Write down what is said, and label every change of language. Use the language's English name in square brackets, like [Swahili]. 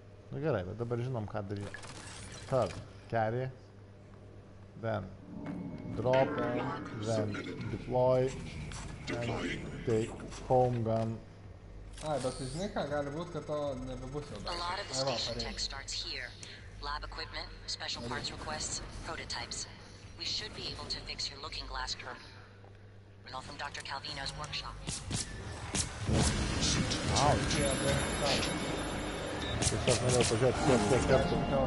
[Lithuanian] Nu gerai, bet dabar žinom, ką daryti. Tad, [English] carry, then drop, then deploy, then take home gun. [Lithuanian] Ai, bet tai žinai ką, gali būt, kad to nebebūs jau dar. [English] A lot of the station tech starts here. Lab equipment, special parts requests, prototypes. We should be able to fix your looking glass curve. We're all from Dr. Calvino's workshop. Wow. [Lithuanian] Tiesiog norėjau pažiūrėti, kiek kartų.